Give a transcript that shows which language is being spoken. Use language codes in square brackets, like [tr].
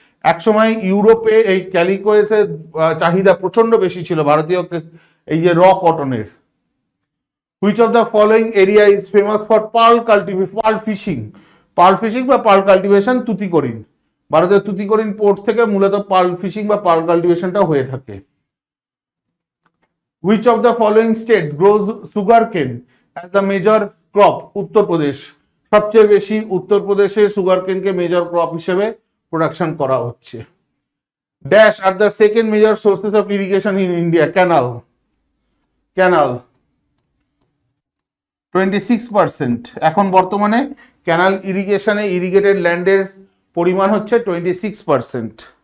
[bn] একসময় ইউরোপে এই ক্যালাইকোয়াসের চাহিদা প্রচন্ড বেশি ছিল ভারতীয় এই যে র কটনের। [en] which of the following area is famous for pearl cultivation, pearl fishing, pearl fishing বা pearl cultivation, Tuticorin, [bn] ভারতের তুতিকরিন পোর্ট থেকে মূলত পার্ল ফিশিং বা পার্ল কালটিভেশনটা হয়ে থাকে। [en] Which of the following states grows sugarcane as the major crop? Uttar Pradesh. [bn] সবচেয়ে বেশি উত্তর প্রদেশে সুগারকেনকে মেজর ক্রপ হিসেবে প্রোডাকশন করা হচ্ছে। [en] dash are the second major sources of irrigation in India, canal, canal 26%, [bn] এখন বর্তমানে ক্যানাল ইরিগেশনে ইরিগেটেড ল্যান্ডের পরিমাণ হচ্ছে 26%।